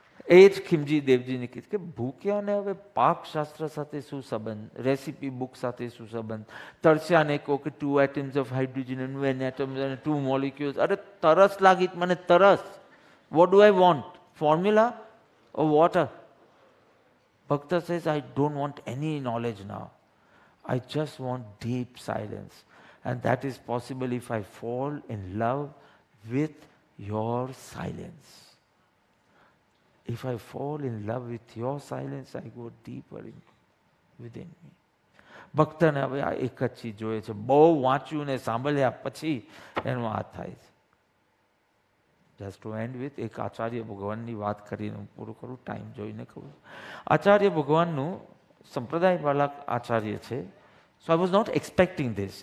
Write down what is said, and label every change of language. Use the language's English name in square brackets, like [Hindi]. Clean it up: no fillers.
[Gujarati] એ જ ખીમજી દેવજીની કીધું કે ભૂખ્યાને હવે પાકશાસ્ત્ર સાથે શું સંબંધ, રેસિપી બુક સાથે શું સંબંધ, તરસ્યાને કહો કે [English] two items of hydrogen and one atom અને two molecules, [Gujarati] અરે તરસ લાગી મને તરસ, [English] What do I want, formula or water? ભક્ત says I don't want any knowledge now, I just want deep silence, and that is possible if I fall in love with your silence. If I fall in love with your silence, I go deeper in, within me. [Gujarati] ભક્તને હવે આ એક જ ચીજ જોઈએ છે, બહુ વાંચ્યું ને સાંભળ્યા પછી એનો આ થાય છે. [English] just to and with [Gujarati] એક આચાર્ય ભગવાનની વાત કરીને હું પૂરું કરું, ટાઈમ જોઈને કહું. આચાર્ય ભગવાનનું સંપ્રદાય વાળા આચાર્ય છે, [English] So I was not expecting this.